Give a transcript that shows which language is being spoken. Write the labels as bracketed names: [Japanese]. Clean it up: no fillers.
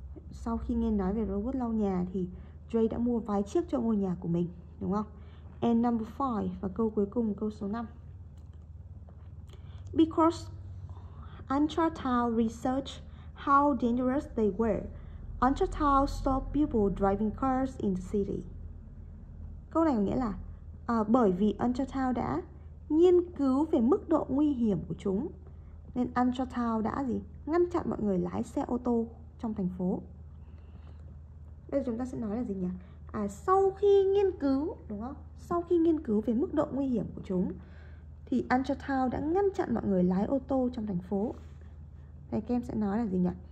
[Vietnamese] Sau khi nghe nói về robot lau nhà thì Jay đã mua vài chiếc cho ngôi nhà của mình, đúng không? [English] And number 5, [Vietnamese] và câu cuối cùng, câu số 5. [English] Because Antartal researched how dangerous they were, Antartal stopped people driving cars in the city. [Vietnamese] Câu này có nghĩa là bởi vì Antartal đã nghiên cứu về mức độ nguy hiểm của chúng, nên Antartal đã gì? Ngăn chặn mọi người lái xe ô tô trong thành phố. Bây giờ chúng ta sẽ nói là gì nhỉ? Sau khi nghiên cứu, đúng không? Sau khi nghiên cứu về mức độ nguy hiểm của chúng, thì Antartal đã ngăn chặn mọi người lái ô tô trong thành phố. Đây, các em sẽ nói là gì nhỉ?